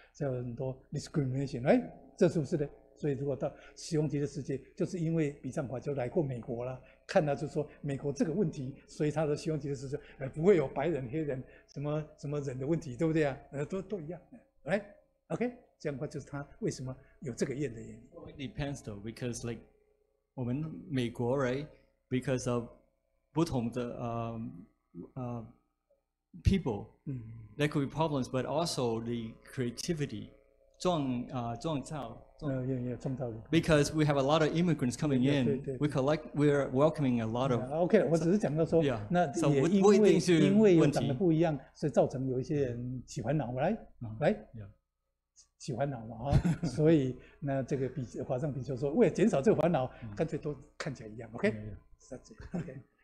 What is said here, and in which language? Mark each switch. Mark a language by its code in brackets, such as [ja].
[zh] 才有很多 discrimination， 哎，这是不是的？所以如果到西方极乐世界，就是因为比丈华就来过美国了，看到就说美国这个问题，所以他的西方极乐世界，不会有白人、黑人什么什么人的问题，对不对啊？都一样，哎 ，OK， 这样的话就是他为什么有这个愿的原因。 [en] It depends though, because like 我们美国 right, because of 不同的 People, there could be problems, but also the creativity. [zh] 撞造，有道理。 [en] Because we have a lot of immigrants coming in, we're welcoming a lot of. [zh] Yeah, okay, 我只是讲到说， [en] yeah, [zh] 那也因为有长得不一样，所以造成有一些人起烦恼。来， [en] yeah. [zh] 起烦恼嘛，哈。所以那这个比华藏比丘说，为了减少这个烦恼，干脆都看起来一样。 OK， 是这样。OK。